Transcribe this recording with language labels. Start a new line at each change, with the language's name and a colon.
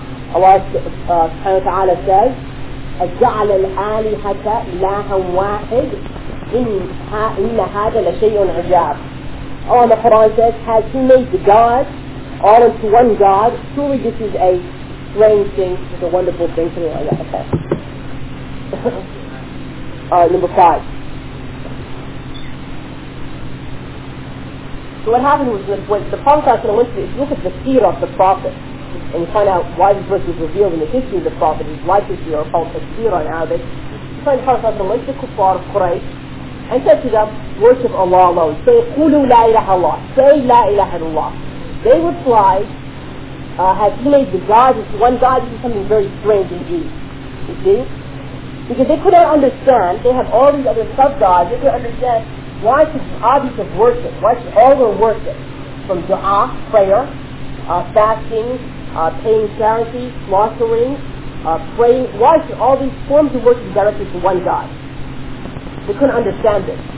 English: Allah subhanahu wa ta'ala says,
Arabic: أَجْعَلَ الْآلِهَةَ إِلَهًا وَاحِدٍ إِنَّ هَذَا لَشَيْءٌ عَجَابٌ.
English: Allah in the Quran says, has he made the God all into one God? Truly this is a strange thing, it's a wonderful thing, something like that. Okay. number 5. So what happened was that when the Prophet went to look at the seerah of the Prophet and you find out why this verse was revealed in the history of the Prophet, his life history, or called the seerah in Arabic, you find the Prophet went to the kuffar of Quraysh and said to them, worship Allah alone.
Arabic: Say, قُلُوا لَا إِلَهَ اللَّهِ. Say, لَا إِلَهَ اللَّهِ.
English: They replied, has he made the gods into one god? This is something very strange indeed. You see? Because they could not understand, they have all these other sub-gods, they could understand why should the object of worship, why should all their worship, from du'a, prayer, fasting, paying charity, slaughtering, praying, why should all these forms of worship be directed to one god? They couldn't understand this.